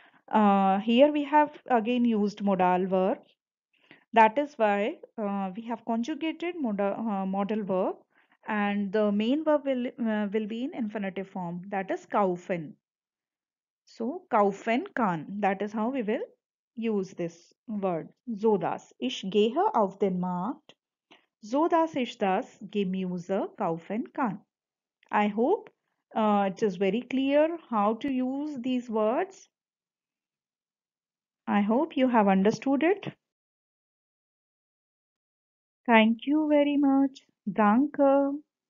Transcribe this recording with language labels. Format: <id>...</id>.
<en>Here we have again used modal verb. That is why we have conjugated modal verb, and the main verb will be in infinitive form, that is kaufen. So kaufen kann, that is how we will use this word.</en> <de>So das ich gehe auf den Markt, so dass ich das Gemüse kaufen kann.</de> <en>I hope it is very clear how to use these words. I hope you have understood it. Thank you very much. Danke.</en>